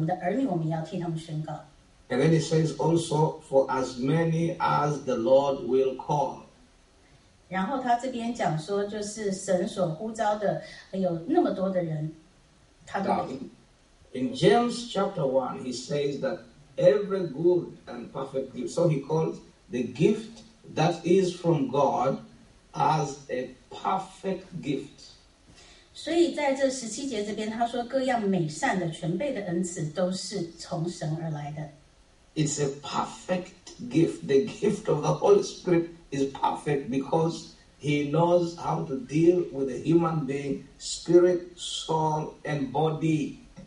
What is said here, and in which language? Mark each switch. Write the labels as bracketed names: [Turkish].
[Chinese] 所以我们要宣告圣灵的能力，不只是给了我们自己，而是为了我们的儿女，我们要替他们宣告。 [English] And then it says also, for as many as the Lord will call. [Chinese] 然后他这边讲说，就是神所呼召的有那么多的人，他都。 [English] In James chapter 1, he says that every good and perfect gift, so he calls the gift that is from God as a perfect gift. [Chinese] 所以在这十七节这边，他说各样美善的全备的恩赐都是从神而来的。 [English] It's a perfect gift. The gift of the Holy Spirit is perfect because he knows how to deal with a human being, spirit, soul, and body.